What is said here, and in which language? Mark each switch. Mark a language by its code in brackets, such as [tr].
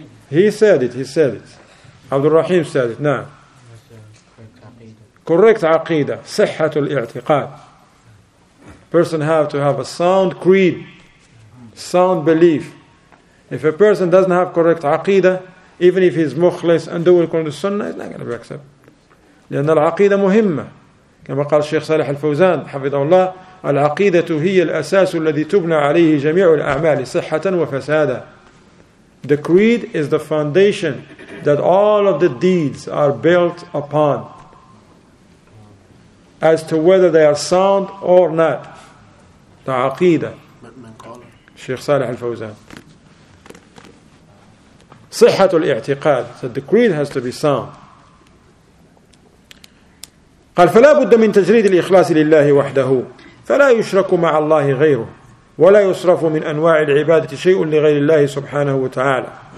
[en] He said it. Abdul Rahim said it. Na'am. Correct aqeedah. [ar] Sihhatul i'tiqad. [en] Person have to have a sound creed. Sound belief. If a person doesn't have correct aqidah, even if he's mukhlis and doing according to sunnah, he's not going to be accepted. [ar] لأن العقيدة مهمة. كما قال الشيخ صالح الفوزان حفظه الله العقيدة هي الأساس الذي تبنى عليه جميع الأعمال صحة وفسادة. [en] The creed is the foundation that all of the deeds are built upon as to whether they are sound or not. The aqidah. Sheikh Saleh al-Fawzan. [ar] Sihhatu al-i'tiqad. [en] So the creed has to be sound. [ar] قال فلا بد من تجريد الإخلاص لله وحده فلا يشرك مع الله غيره ولا يصرف من أنواع العبادة شيء لغير الله سبحانه وتعالى.